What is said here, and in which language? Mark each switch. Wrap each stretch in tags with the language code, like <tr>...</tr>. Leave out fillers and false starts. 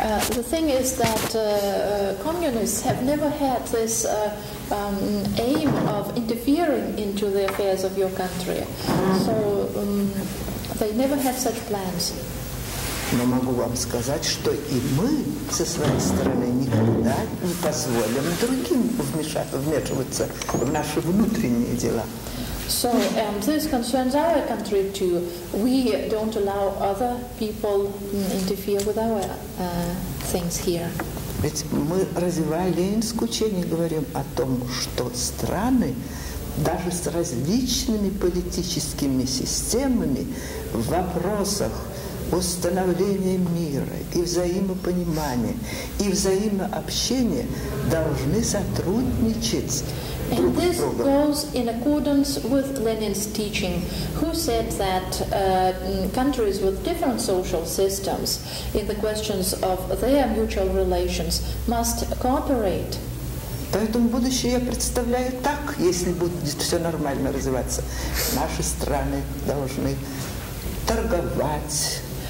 <en>The thing is that communists have never had this aim of interfering into the affairs of your country. So they never had such plans.</en> <ru>Но могу вам сказать, что и мы со своей стороны никогда не позволим другим вмешиваться в наши внутренние дела.</ru> <en>So this concerns our country too. We don't allow other people interfere with our things here.</en> <ru>Ведь мы развивая ленинское учение говорим о том, что страны даже с различными политическими системами в вопросах установления мира и взаимопонимания и взаимообщения должны сотрудничать.</ru> <en>And this goes in accordance with Lenin's teaching, who said that countries with different social systems in the questions of their mutual relations must cooperate.</en> <ru>Поэтому будущее я представляю так, если будет все нормально развиваться. Наши страны должны торговать.</ru>